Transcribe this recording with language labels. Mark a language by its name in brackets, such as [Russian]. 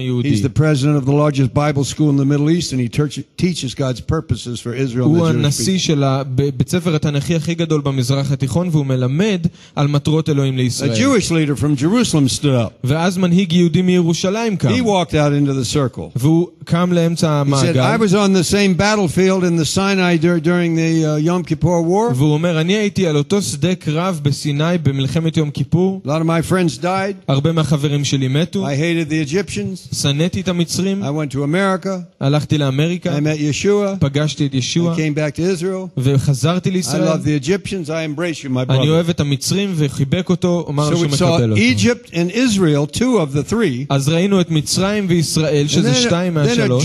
[English] He's the president of the largest Bible school in the Middle East, and he teaches God's purposes for Israel. [Hebrew] הוא הנשיא של בית ספר התנ"כי הכי גדול במזרח התיכון, והוא מלמד על מטרות אלוהים לישראל. [English] A Jewish leader from Jerusalem stood up. [Hebrew] ואז מנהיג יהודי מירושלים קם. [English] He walked out into the circle. [Hebrew] והוא קם לאמצע המעגל. [English] He said, I was on the same battlefield in the Sinai during the Yom Kippur War. [Hebrew] והוא אומר, אני הייתי על אותו שדה קרב בסיני במלחמת יום כיפור. [English] A lot of my friends died. [Hebrew] הרבה מהחברים שלי מתו. [English] I hated the Egyptians. [Hebrew] שנאתי את המצרים. [English] I went to America. [Hebrew] הלכתי לאמריקה. [English] I met Yeshua. [Hebrew] פגשתי את ישוע. [English] I came back to Israel. [Hebrew] וחזרתי לישראל. [English] I love the Egyptians. I embrace you, my brother. [Hebrew] אני אוהב את המצרים וחיבק אותו, אמר לו שמקבל אותו. [English] So Egypt and Israel, two of the three. [Hebrew] אז ראינו את מצרים וישראל, שזה שתיים מהשלוש.